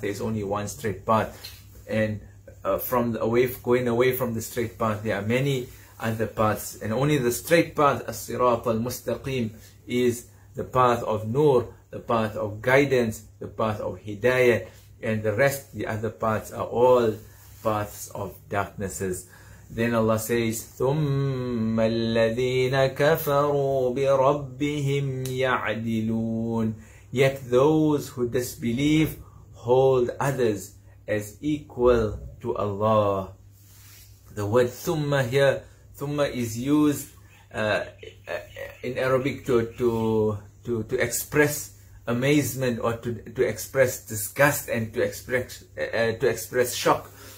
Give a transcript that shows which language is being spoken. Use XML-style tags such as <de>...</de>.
<en>There's only one straight path, and going away from the straight path, there are many other paths, and only the straight path, as sirat al mustaqim, is the path of nur, the path of guidance, the path of hidayah, and the rest, the other paths, are all paths of darknesses. Then Allah says,</en> <ar>ثُمَّ الَّذِينَ كَفَرُوا بِرَبِّهِمْ يَعْدِلُونَ.</ar> <en>Yet those who disbelieve hold others as equal to Allah. The word ثُمَّ here, ثُمَّ is used in Arabic to express amazement, or to express disgust, and to express shock.</en>